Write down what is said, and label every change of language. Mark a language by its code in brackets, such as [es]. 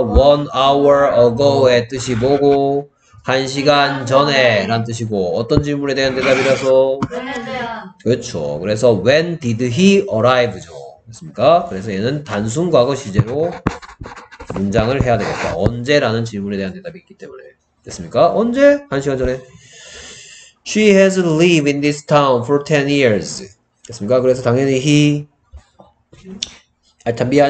[en] One hour ago [ko] 의 뜻이 뭐고 한 시간 전에 라는 뜻이고 어떤 질문에 대한 대답이라서 그렇죠. 그래서 [en] when did he arrive [ko] 죠. 됐습니까? 그래서 얘는 단순 과거 시제로 문장을 해야 되겠다. 언제라는 질문에 대한 대답이 있기 때문에 됐습니까? 언제? 한 시간 전에. [en] She has lived in this town for 10 years. [ko] 됐습니까? 그래서 당연히 he 담비한